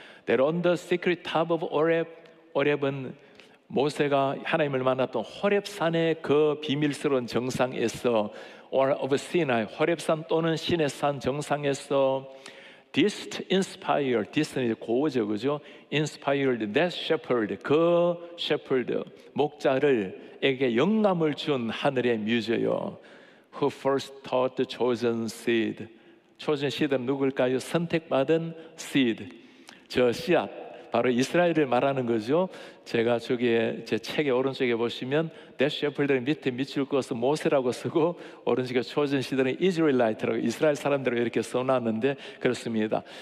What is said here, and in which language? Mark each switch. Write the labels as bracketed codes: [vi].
[en] That on the secret top of Oreb, [ko] Oreb은 모세가 하나님을 만났던 호렙산의 그 비밀스러운 정상에서 [en] Or of Sinai, [ko] 호렙산 또는 시내산 정상에서 [en] Dist inspired, [ko] dist는 고어적이죠. [en] Inspired that shepherd, [ko] 그 shepherd, 목자를 에게 영감을 준 하늘의 뮤즈요. [en] Who first taught the chosen seed? [ko] Chosen seed은 누굴까요? 선택받은 seed, 저 씨앗, 바로 이스라엘을 말하는 거죠. 제가 저기에 제 책의 오른쪽에 보시면 That shepherd은 밑에 밑줄 그어서 모세라고 쓰고 오른쪽에 chosen seed은 Israelite라고 이스라엘 사람들을 이렇게 써놨는데 그렇습니다.